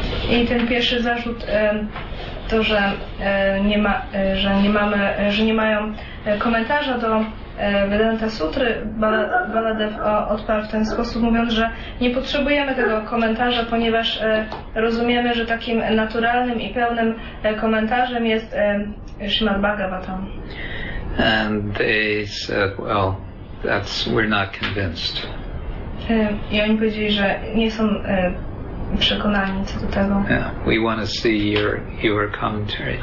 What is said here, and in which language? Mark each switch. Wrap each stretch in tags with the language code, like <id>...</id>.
<pl>I ten pierwszy zarzut, to, że nie ma, że nie mamy, że nie mają komentarza do Vedanta Sutry, Baladev odparł w ten sposób, mówiąc, że nie potrzebujemy tego komentarza, ponieważ rozumiemy, że takim naturalnym i pełnym komentarzem jest Srimad Bhagavatam.</pl> <en>And they said, well, that's, we're not convinced.</en> <pl>I oni powiedzieli, że nie są przekonani co do tego.</pl> <en>Yeah, we want to see your commentary.</en>